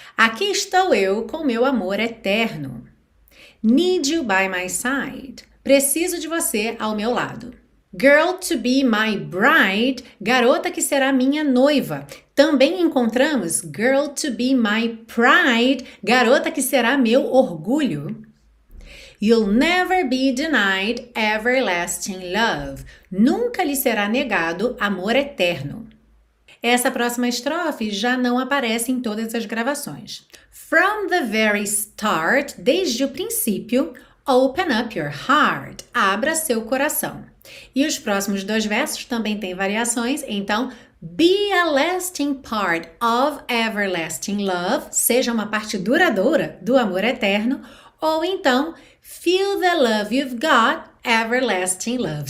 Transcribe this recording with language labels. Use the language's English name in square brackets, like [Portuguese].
[Portuguese] Aqui estou eu com meu amor eterno. [English] Need you by my side. [Portuguese] Preciso de você ao meu lado. [English] Girl to be my bride. [Portuguese] Garota que será minha noiva. Também encontramos [English] girl to be my pride. [Portuguese] Garota que será meu orgulho. [English] You'll never be denied everlasting love. [Portuguese] Nunca lhe será negado amor eterno. Essa próxima estrofe já não aparece em todas as gravações. [English] From the very start, [Portuguese] desde o princípio, [English] open up your heart, [Portuguese] abra seu coração. E os próximos dois versos também têm variações, então [English] be a lasting part of everlasting love, [Portuguese] seja uma parte duradoura do amor eterno, ou então [English] feel the love you've got, everlasting love.